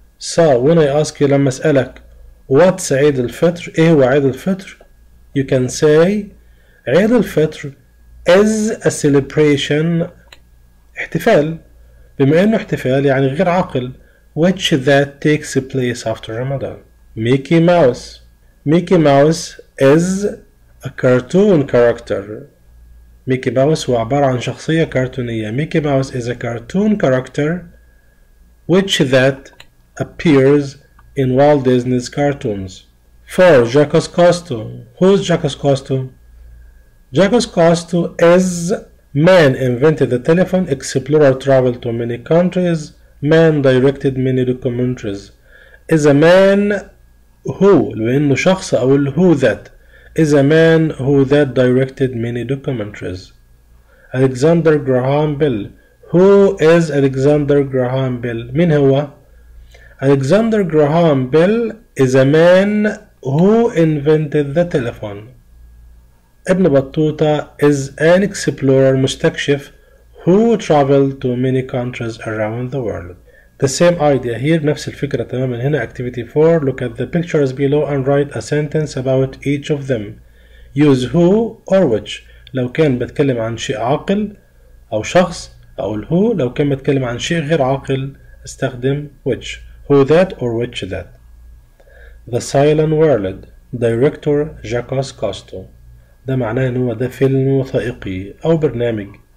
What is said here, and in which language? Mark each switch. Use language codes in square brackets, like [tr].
[en] So when I ask you, [ar] لما اسألك [en] what's عيد الفطر، [ar] ايه هو عيد الفطر؟ [en] You can say عيد الفطر is a celebration، احتفال. [ar] بما انه احتفال يعني غير عاقل. [en] Which that takes place after Ramadan. Mickey Mouse. Mickey Mouse is a cartoon character. [ar] Mickey Mouse هو عبارة عن شخصية كرتونية. [en] Mickey Mouse is a cartoon character which that appears in Walt Disney's cartoons. 4. Jacques Cousteau. Who's Jacques Cousteau? Jacques Cousteau is man invented the telephone, explorer traveled to many countries, man directed many documentaries. Is a man who, [ar] لأنه شخص أو [en] who that. Is a man who that directed many documentaries. Alexander Graham Bell. Who is Alexander Graham Bell? [ar] مين هو؟ [en] Alexander Graham Bell is a man who invented the telephone. ابن بطوطة is an explorer, مستكشف, who traveled to many countries around the world. The same idea here, [ar] نفس الفكرة تماما هنا. [en] Activity 4, look at the pictures below and write a sentence about each of them. Use who or which. [ar] لو كان بتكلم عن شيء عاقل أو شخص أقول who, لو كان بتكلم عن شيء غير عاقل استخدم which. [en] Who that or which that. The Silent World, director Jacques Cousteau. [ar] ده معناه ان هو ده فيلم وثائقي او برنامج.